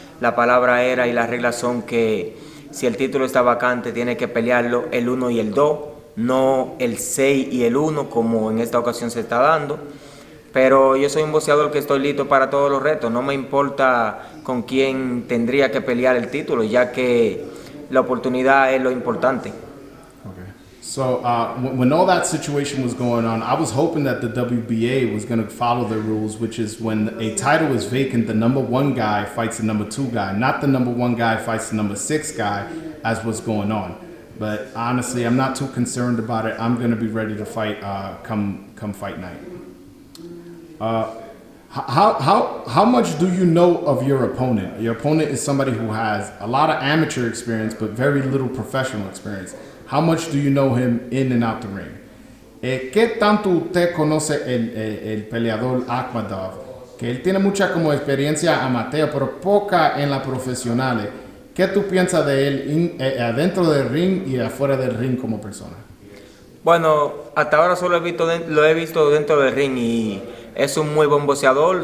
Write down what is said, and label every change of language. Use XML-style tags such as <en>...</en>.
<es>La palabra era y las reglas son que si el título está vacante, tiene que pelearlo el 1 y el 2, no el 6 y el 1, como en esta ocasión se está dando. Pero yo soy un boxeador que estoy listo para todos los retos. No me importa con quién tendría que pelear el título, ya que la oportunidad es lo importante.</es> <en>Okay. So when all that situation was going on, I was hoping that the WBA was going to follow the rules, which is when a title is vacant, the number one guy fights the number two guy, not the number one guy fights the number six guy, as was going on. But honestly, I'm not too concerned about it. I'm going to be ready to fight come fight night. How much do you know of your opponent? Your opponent is somebody who has a lot of amateur experience, but very little professional experience. How much do you know him in and out the ring?</en> <es>¿Qué tanto usted conoce el peleador Akhmadov? Que él tiene mucha como experiencia amateur, pero poca en la profesional. ¿Qué tú piensas de él adentro del ring y afuera del ring como persona? Bueno, hasta ahora solo lo he visto dentro del ring y es un muy buen boxeador.</es>